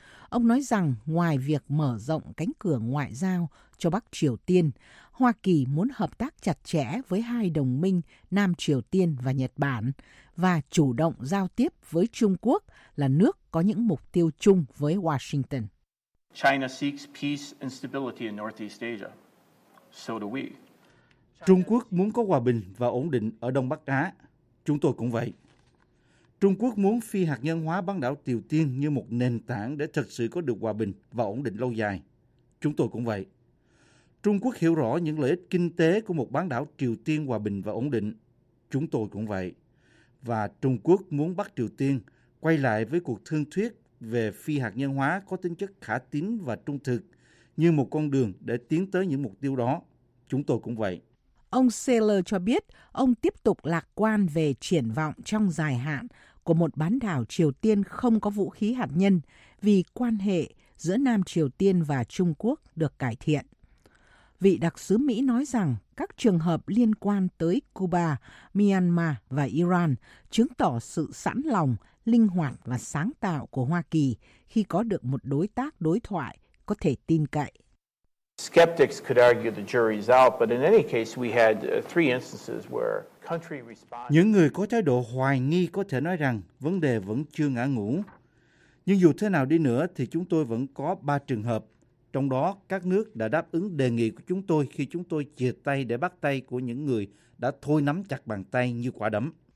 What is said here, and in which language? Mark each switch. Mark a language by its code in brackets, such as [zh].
[vi] Ông nói rằng ngoài việc mở rộng cánh cửa ngoại giao cho Bắc Triều Tiên, Hoa Kỳ muốn hợp tác chặt chẽ với hai đồng minh Nam Triều Tiên và Nhật Bản và chủ động giao tiếp với Trung Quốc là nước có những mục tiêu chung với Washington. [en] China seeks peace and stability in Northeast Asia. So do we. [vi] Trung Quốc muốn có hòa bình và ổn định ở Đông Bắc Á. Chúng tôi cũng vậy. Trung Quốc muốn phi hạt nhân hóa bán đảo Triều Tiên như một nền tảng để thực sự có được hòa bình và ổn định lâu dài. Chúng tôi cũng vậy. Trung Quốc hiểu rõ những lợi ích kinh tế của một bán đảo Triều Tiên hòa bình và ổn định. Chúng tôi cũng vậy. Và Trung Quốc muốn Bắc Triều Tiên quay lại với cuộc thương thuyết về phi hạt nhân hóa có tính chất khả tín và trung thực như một con đường để tiến tới những mục tiêu đó. Chúng tôi cũng vậy. Ông Sealer cho biết ông tiếp tục lạc quan về triển vọng trong dài hạn của một bán đảo Triều Tiên không có vũ khí hạt nhân vì quan hệ giữa Nam Triều Tiên và Trung Quốc được cải thiện. Vị đặc sứ Mỹ nói rằng các trường hợp liên quan tới Cuba, Myanmar và Iran chứng tỏ sự sẵn lòng, linh hoạt và sáng tạo của Hoa Kỳ khi có được một đối tác đối thoại có thể tin cậy. [en] Skeptics could argue the jury is out, but in any case we had three instances where country responded. [vi] Những người có thái độ hoài nghi có thể nói rằng vấn đề vẫn chưa ngã ngũ. Nhưng dù thế nào đi nữa thì chúng tôi vẫn có 3 trường hợp, trong đó các nước đã đáp ứng đề nghị của chúng tôi khi chúng tôi chia tay để bắt tay của những người đã thôi nắm chặt bàn tay như quả đấm.